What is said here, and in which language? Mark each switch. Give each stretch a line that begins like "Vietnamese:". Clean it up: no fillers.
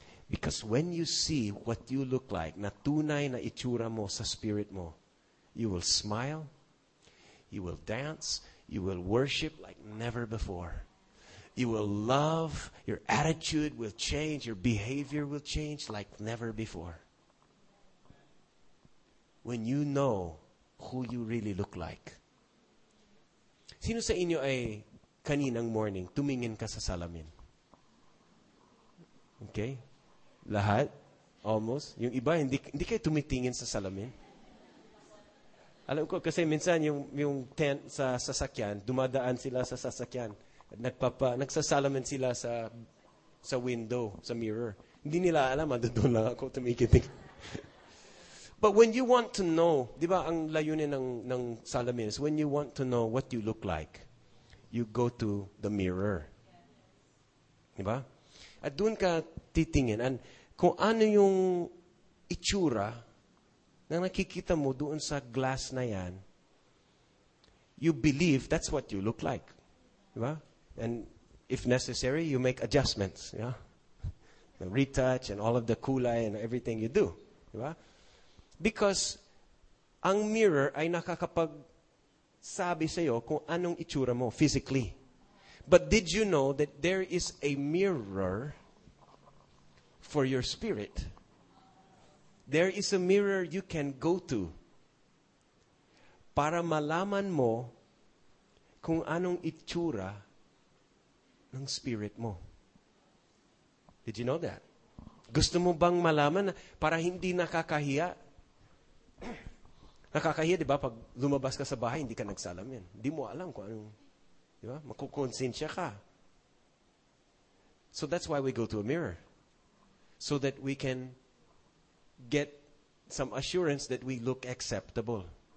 English: Because when you see what you look like,
Filipino: na tunay na itsura mo sa spirit mo,
English: you will smile, you will dance, you will worship like never before. You will love, your attitude will change, your behavior will change like never before. When you know who you really look like.
Filipino: Sino sa inyo ay kaninang morning, tumingin ka sa salamin? Okay? Lahat? Almost? Yung iba, hindi kayo tumitingin sa salamin? Alam ko, kasi minsan yung tent sa sasakyan, dumadaan sila sa sasakyan. Nagsasalamin sila sa window, sa mirror. Hindi nila alam, doon lang ako tumikitin.
English: But when you want to know,
Filipino: di ba ang layunin ng salamin
English: is when you want to know what you look like, you go to the mirror.
Filipino: Di ba? At doon ka titingin. And kung ano yung itsura na nakikita mo doon sa glass na yan,
English: you believe that's what you look like.
Filipino: Di ba?
English: And if necessary, you make adjustments. Yeah, the retouch and all of the kulay and everything you do.
Filipino: Diba? Because ang mirror ay nakakapagsabi sa'yo kung anong itsura mo physically.
English: But did you know that there is a mirror for your spirit? There is a mirror you can go to
Filipino: para malaman mo kung anong itsura ng spirit mo.
English: Did you know that?
Filipino: Gusto mo bang malaman para hindi nakakahiya? Nakakahiya, di ba? Pag lumabas ka sa bahay, hindi ka nagsalam yan. Hindi mo alam kung anong, di ba? Makukonsensya ka.
English: So that's why we go to a mirror. So that we can get some assurance that we look acceptable.